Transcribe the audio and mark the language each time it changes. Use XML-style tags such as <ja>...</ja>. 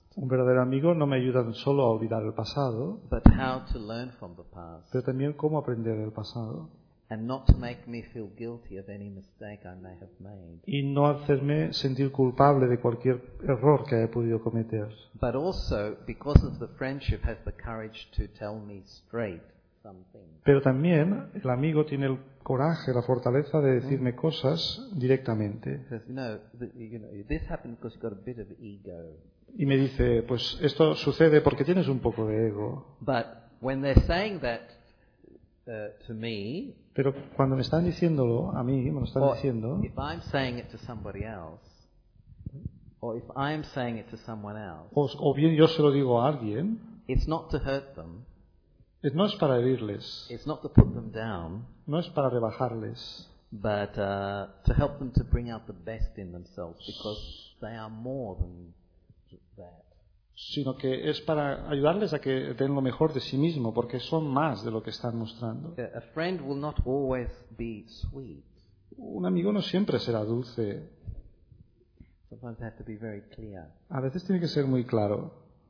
<es>Un verdadero amigo no me ayuda solo a olvidar el pasado,</es> <en>but how to learn from the past.</en> <es>Pero también cómo aprender del pasado.</es> <en>And not to make me feel guilty of any mistake I may have made.</en> <es>Y no hacerme sentir culpable de cualquier error que haya podido cometer.</es> <en>But also because of the friendship has the courage to tell me straight something.</en> <es>Pero también el amigo tiene el coraje, la fortaleza de decirme cosas directamente.</es> <en>This happened because you got a bit of ego.</en> <es>Y me dice, pues esto sucede porque tienes un poco de ego.</es> <en>But when they're saying that to me,</en> <es>pero cuando me están diciéndolo a mí, me lo están diciendo.</es> <en>If I'm saying it to somebody else, or if I'm saying it to someone else.</en> <es>O bien yo se lo digo a alguien.</es> <en>It's not to hurt them.</en> <es>No es para herirles.</es> <en>It's not to put them down.</en> <es>No es para rebajarles.</es> <en>But to help them to bring out the best in themselves, because they are more than that.</en> <es>Sino que es para ayudarles a que den lo mejor de sí mismo, porque son más de lo que están mostrando.</es> <en>A friend will not always be sweet.</en> <es>Un amigo no siempre será dulce.</es> <en>Sometimes they have to be very clear.</en> <es>A veces tiene que ser muy claro.</es>